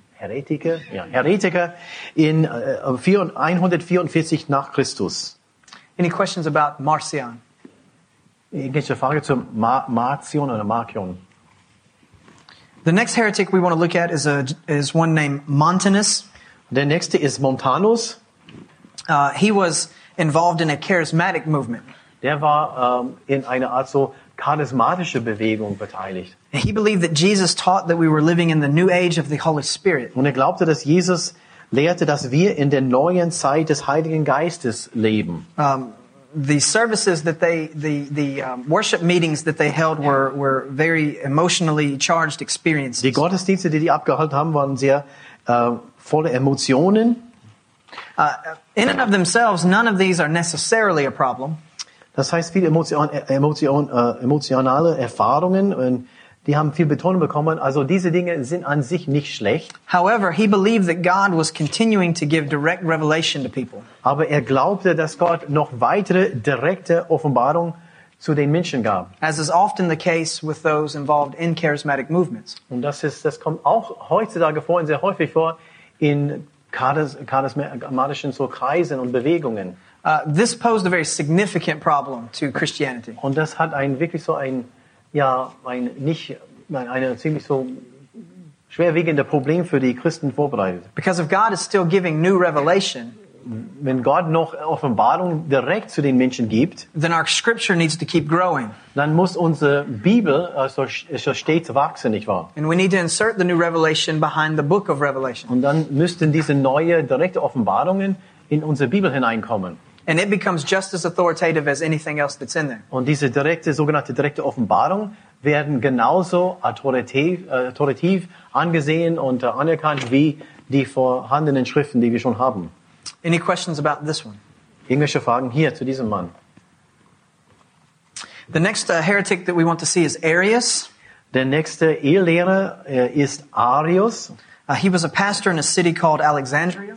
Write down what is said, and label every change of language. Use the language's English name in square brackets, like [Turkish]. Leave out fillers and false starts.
[German] Heretiker in 144 nach Christus. [English] Any questions about Marcion? [German] Irgendwelche Frage zu Marcion oder Marcion? [English] The next heretic we want to look at is one named Montanus. [German] Der nächste ist Montanus. [English] He was involved in a charismatic movement. [German] Der war in einer Art so charismatische Bewegung beteiligt. [English] He believed that Jesus taught that we were living in the new age of the Holy Spirit. [German] Und er glaubte, dass Jesus lehrte, dass wir in der neuen Zeit des Heiligen Geistes leben. [English] The services that they, worship meetings that they held were very emotionally charged experiences. [German] Die Gottesdienste, die abgehalten haben, waren sehr voller Emotionen. [English] In and of themselves, none of these are necessarily a problem. [German] Das heißt, viele emotionale Erfahrungen, und die haben viel Betonung bekommen. Also diese Dinge sind an sich nicht schlecht. [English] However, he believed that God was continuing to give direct revelation to people. [German] Aber er glaubte, dass Gott noch weitere direkte Offenbarung zu den Menschen gab. [English] As is often the case with those involved in charismatic movements. [German] Und das kommt auch heutzutage vor, und sehr häufig vor, in charismatischen so Kreisen und Bewegungen. [English] This posed a very significant problem to Christianity. [German] Und das hat eine ziemlich so schwerwiegende Problem für die Christen vorbereitet. [English] Because if God is still giving new revelation, [German] wenn Gott noch Offenbarung direkt zu den Menschen gibt, [English] then our scripture needs to keep growing. [German] Dann muss unsere Bibel also stets wachsen, nicht wahr? [English] And we need to insert the new revelation behind the book of Revelation. [German] Und dann müssten diese neue direkte Offenbarungen in unsere Bibel hineinkommen. [English] And it becomes just as authoritative as anything else that's in there. [German] Und diese direkte, sogenannte direkte Offenbarung werden genauso autoritativ angesehen und anerkannt wie die vorhandenen Schriften, die wir schon haben. [English] Any questions about this one? [German] Irgendwelche Fragen hier zu diesem Mann? [English] The next heretic that we want to see is Arius. [German] Der nächste Irrlehrer ist Arius. [English] He was a pastor in a city called Alexandria.